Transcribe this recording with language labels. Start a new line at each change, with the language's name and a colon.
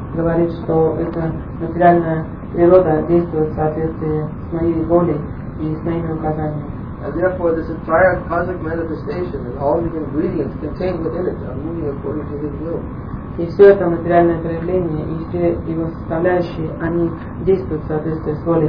Russian: говорит, что эта материальная природа действует в соответствии с моей волей и с моими указаниями.
English: And therefore this entire cosmic manifestation and all the ingredients contained within it are moving according to His will.
Russian: И все это материальное проявление, и все его составляющие, они действуют в соответствии с волей